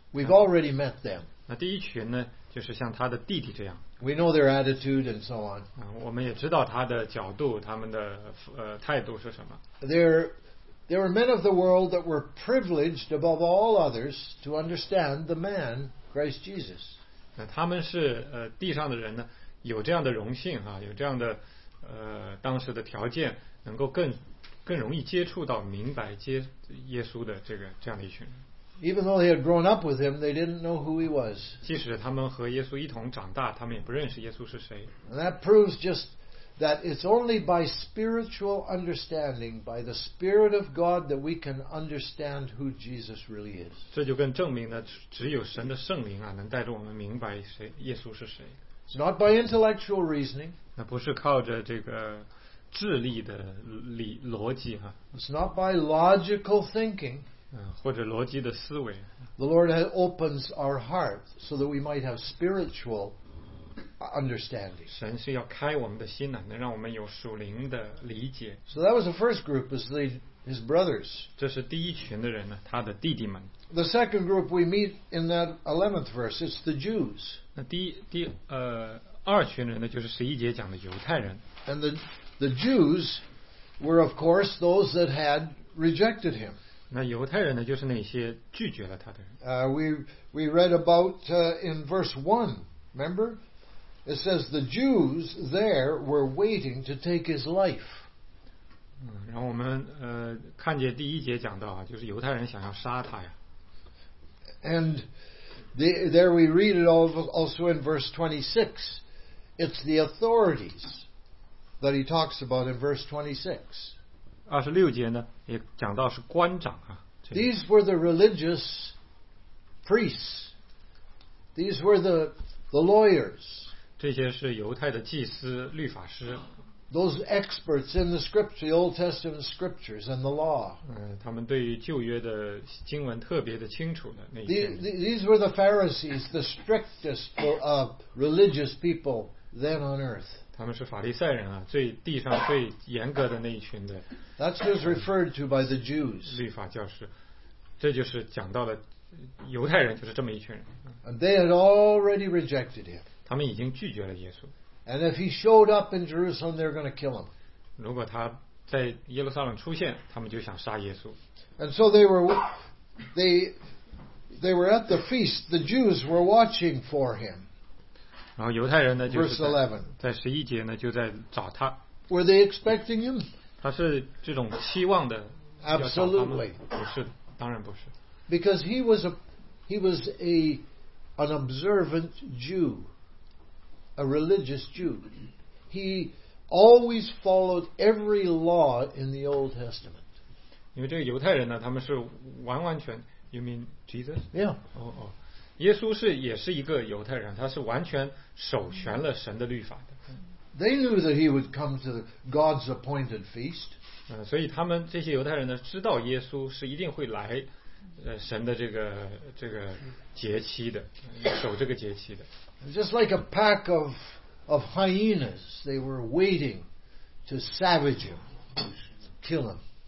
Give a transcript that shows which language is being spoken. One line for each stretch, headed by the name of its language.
English: We've already met them.
Chinese: 那第一群呢，就是像他的弟弟这样。
English: We know their attitude and so on.
Chinese: 我们也知道他的角度，他们的态度是什么。
English: There were men of the world that were privileged above all others to understand the man Christ Jesus.
Chinese: 那他们是地上的人呢？有这样的荣幸啊，有这样的当时的条件，能够更容易接触到明白耶稣的这样的一群人。
English: Even though they had grown up with him, they didn't know who he was.
Chinese: 即使他们和耶稣一同长大，他们也不认识耶稣是谁。
English: And that proves just that it's only by spiritual understanding, by the Spirit of God, that we can understand who Jesus really is.
Chinese: 这就更证明了，只有神的圣灵啊，能带着我们明白耶稣是谁。
English: It's not by intellectual reasoning.
Chinese: 那不是靠着这个智力的逻辑哈。
English: It's not by logical thinking.
Chinese: 或者逻辑的思维。
English: The Lord opens our heart so that we might have spiritual understanding.
Chinese: 神是要开我们的心呢，能让我们有属灵的理解。
English: So that was the first group, is his brothers.
Chinese: 这是第一群的人呢，他的弟弟们。
English: The second group we meet in that 11th verse, it's the Jews.
Chinese: 那二群人呢，就是十一节讲的犹太人。
English: And the Jews were of course those that had rejected him.
Chinese: 那犹太人呢，就是那些拒绝了他的人。
English: We read about in verse 1, remember? It says the Jews there were waiting to take his life.
Chinese: 然后我们看见第一节讲到啊，就是犹太人想要杀他呀。
English: And there we read it also in verse 26. It's the authorities that he talks about in verse 26.
Chinese: 26节呢，也讲到是官长啊。
English: These were the religious priests. These were the lawyers.
Chinese: 这些是犹太的祭司、律法师。
English: Those experts in the scripture, the Old Testament scriptures and the law.
Chinese: 他们对于旧约的经文特别的清楚的那一些。
English: These were the Pharisees, the strictest religious people then on earth.
Chinese: 他们是法利赛人啊，最地上最严格的那一群的。
English: That's who's referred to by the Jews.
Chinese: 律法教师，这就是讲到的犹太人，就是这么一群人。
English: And they had already rejected him.
Chinese: 他们已经拒绝了耶稣。
English: And if he showed up in Jerusalem, they're going to kill him.
Chinese: 如果他在耶路撒冷出现，他们就想杀耶稣。
English: And so they were at the feast. The Jews were watching for him.
Chinese: 然后犹太人呢，就是
English: 11,
Chinese: 在十一节呢，就在找他。
English: Were they expecting him?
Chinese: 他是这种期望的。
English: Absolutely.
Chinese: 不是，当然不是。
English: Because he was an observant Jew, a religious Jew. He always followed every law in the Old Testament.
Chinese: 因为这个犹太人呢，他们是完完全 ，
English: You mean Jesus? Yeah.
Chinese: 哦哦，耶稣是也是一个犹太人，他是完全守全了神的律法的。
English: They knew that he would come to God's appointed feast.
Chinese: 所以他们这些犹太人呢，知道耶稣是一定会来。神的这个节期的，守这个节期的。
English: Just like a pack of hyenas, they were waiting to savage him, kill him.